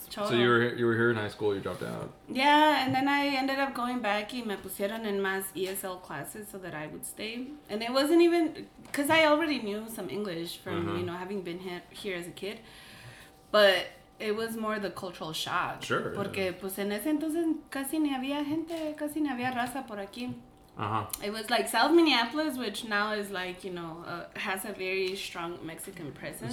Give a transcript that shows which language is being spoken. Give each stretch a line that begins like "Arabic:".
English: So you were here in high school. You dropped out. Yeah, and then I ended up going back.
Spanish: Y me pusieron en más
English: ESL classes so that I would stay. And it wasn't even because I already knew some English from you know having been here as a kid, but. It was more the cultural shock. Sure.
Spanish: Porque, pues, en ese entonces, casi ni había gente, casi ni había raza por aquí.
English: It was, like, South Minneapolis, which now is, like, you know, has a very strong Mexican presence.